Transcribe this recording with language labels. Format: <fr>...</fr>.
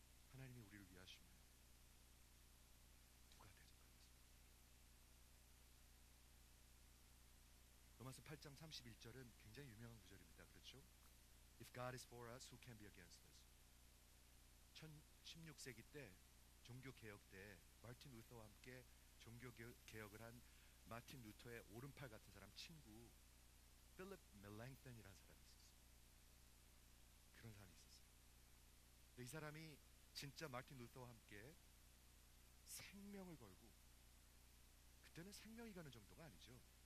<ko>하나님이 우리를 위하시면 로마서 8장 31절은 굉장히 유명한 구절입니다. 그렇죠?</ko> <en>If God is for us, who can be against us?</en> <ko>16세기 때 종교개혁 때 마틴 루터와 함께 종교개혁을 한 마틴 루터의 오른팔 같은 사람 친구 필립 멜랭턴이라는 사람이 있었어요. 그런 사람이 있었어요. 이 사람이 진짜 마틴 루터와 함께 생명을 걸고, 그때는 생명이 가는 정도가 아니죠.</ko>